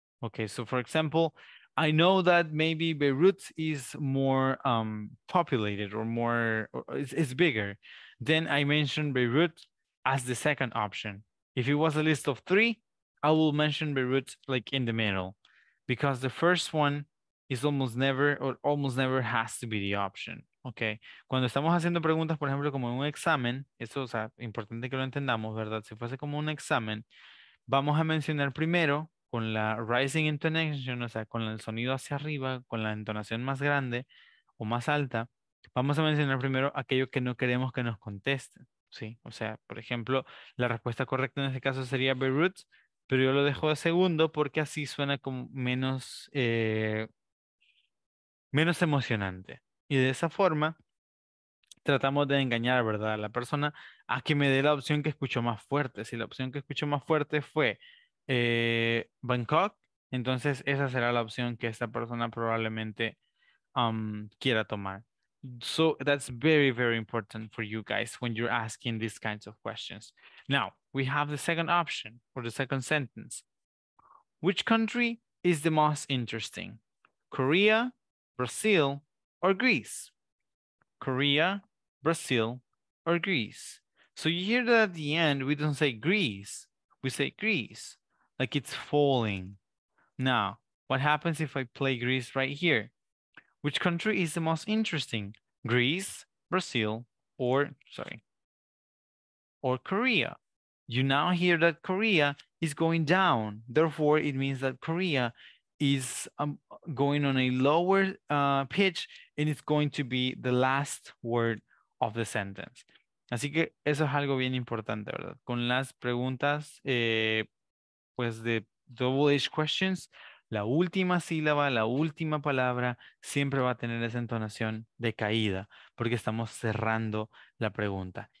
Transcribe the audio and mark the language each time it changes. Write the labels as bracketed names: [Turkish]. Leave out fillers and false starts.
[English] Okay, so for example, I know that maybe Beirut is more populated or more, or is bigger. Then I mentioned Beirut as the second option. If it was a list of three, I will mention Beirut like in the middle because the first one is almost never has to be the option. Okay. [Spanish] Cuando estamos haciendo preguntas, por ejemplo, como en un examen, eso, o sea, importante que lo entendamos, ¿verdad? Si fuese como un examen, vamos a mencionar primero con la rising intonation, o sea, con el sonido hacia arriba, con la entonación más grande o más alta, vamos a mencionar primero aquello que no queremos que nos contesten, ¿sí? O sea, por ejemplo, la respuesta correcta en este caso sería Beirut, pero yo lo dejo de segundo porque así suena como menos emocionante. Y de esa forma, tratamos de engañar, ¿verdad?, a la persona a que me dé la opción que escuchó más fuerte. Si la opción que escuchó más fuerte fue Bangkok, entonces esa será la opción que esta persona probablemente quiera tomar. [English] So that's very, very important for you guys when you're asking these kinds of questions. Now, we have the second option or the second sentence. Which country is the most interesting? Korea, Brazil, or Greece? Korea, Brazil, or Greece? So you hear that at the end, we don't say Greece, we say Greece. Like it's falling. Now, what happens if I play Greece right here? Which country is the most interesting? Greece, Brazil, or Korea. You now hear that Korea is going down. Therefore, it means that Korea is going on a lower pitch and it's going to be the last word of the sentence. [Spanish] Así que eso es algo bien importante, ¿verdad? Con las preguntas, pues de double H questions, la última sílaba, la última palabra siempre va a tener esa entonación de caída porque estamos cerrando la pregunta.